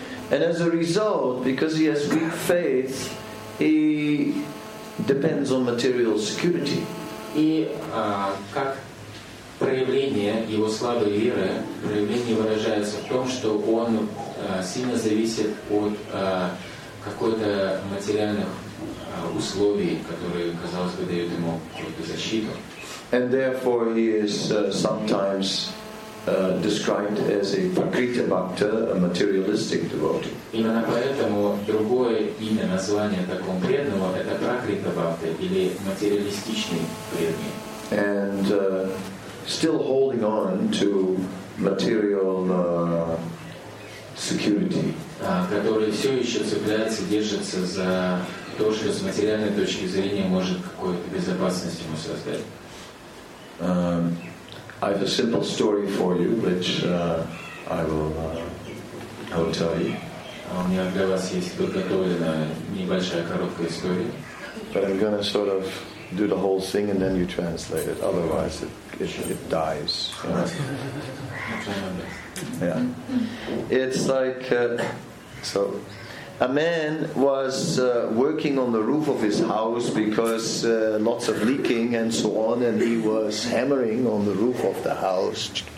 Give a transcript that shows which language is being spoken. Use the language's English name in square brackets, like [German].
[English] And as a result, because he has weak faith, he depends on material security. [Russian] И как проявление его слабой веры, проявление выражается в том, что он сильно зависит от какой-то материальных условий, которые, казалось бы, дают ему какую-то защиту. [English] And therefore he is sometimes described as a prakriti bhakta, a materialistic devotee. [Russian] Именно поэтому другое имя, название такого преданного, это пракрита бхакта или материалистичный преданный. [English] And still holding on to material security. [Russian] Который все еще цепляется, держится за то, что с материальной точки зрения может какую-то безопасность ему создать. [English] I have a simple story for you, which I will tell you. [Russian] У меня для вас есть подготовлена небольшая короткая история. [English] But I'm gonna sort of do the whole thing and then you translate it. Otherwise, it dies. Yeah. It's like so. A man was working on the roof of his house because lots of leaking and so on, and he was hammering on the roof of the house.